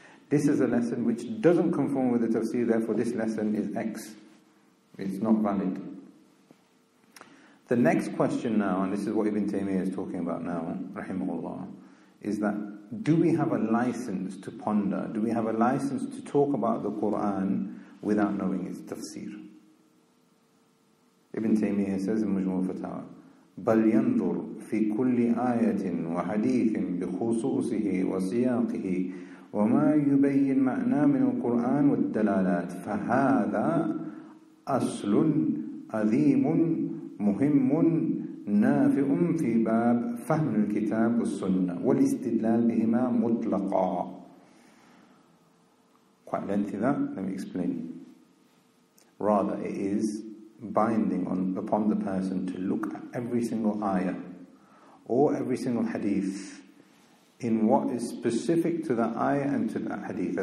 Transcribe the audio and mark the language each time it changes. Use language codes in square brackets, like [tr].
[en] This is a lesson which doesn't conform with the tafsir, therefore this lesson is X. It's not valid. The next question now, and this is what Ibn Taymiyyah is talking about now, rahimahullah, is that do we have a license to ponder? Do we have a license to talk about the Qur'an without knowing its tafsir? Ibn Taymiyyah says in Majmu' al-Fatawa, [ar] بَلْ يَنْظُرْ فِي كُلِّ آيَةٍ وَحَدِيثٍ بِخُصُوصِهِ وَسِيَاقِهِ وَمَا يُبَيِّنْ مَعْنَى مِنَ الْقُرْآنِ وَالدَّلَالَاتِ فَهَذَا أَصْلٌ أَذِيمٌ مُهِمٌ نافع في باب فهم الكتاب والسنة والاستدلال بهما مطلقا. [en] Quite lengthy that, let me explain. Rather, it is binding on upon the person to look at every single ayah or every single hadith in what is specific to that ayah and to that hadith.